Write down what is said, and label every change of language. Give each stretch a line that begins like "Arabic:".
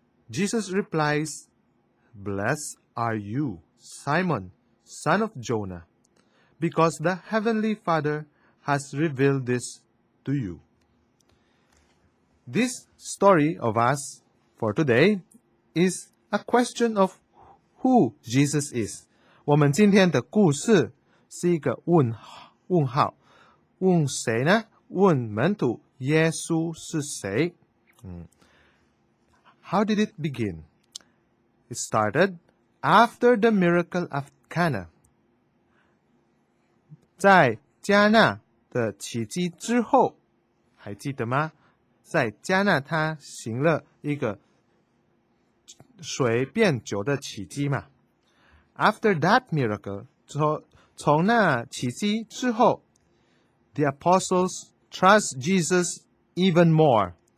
English: Jesus replies, Blessed are you, Simon, son of Jonah, because the Heavenly Father has revealed this to you. This story of us for today is a question of who Jesus is.
Chinese: 我们今天的故事是一个问号，问谁呢？问门徒，耶稣是谁？
English: How did it begin? It started after the miracle of Cana.
Chinese: 在加纳的奇迹之后，还记得吗？在加纳他行了一个水变酒的奇迹嘛。
English: After that miracle,
Chinese: 之后从那奇迹之后
English: ，the apostles trust Jesus even more.